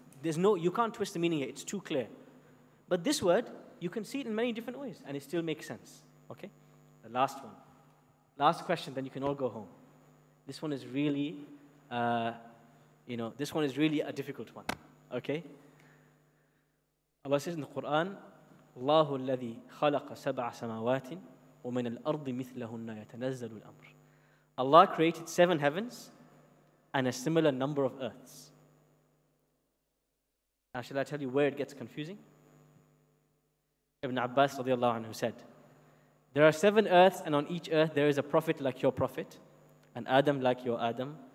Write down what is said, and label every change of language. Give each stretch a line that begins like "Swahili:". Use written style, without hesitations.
English: There's no, you can't twist the meaning here. It's too clear. But this word, you can see it in many different ways, and it still makes sense. Okay? The last one. Last question, then you can all go home. This one is really, this one is really a difficult one. Okay? Allah says in the Quran,
Arabic: اللَّهُ الَّذِي خَلَقَ سَبْعَ سَمَاوَاتٍ وَمِنَ الْأَرْضِ مِثْلَهُنَّ يَتَنَزَّلُ الْأَمْرِ.
English: Allah created 7 heavens and a similar number of earths. Now, shall I tell you where it gets confusing? Ibn Abbas radiallahu anhu said, there are 7 earths, and on each earth there is a prophet like your prophet, and Adam like your Adam,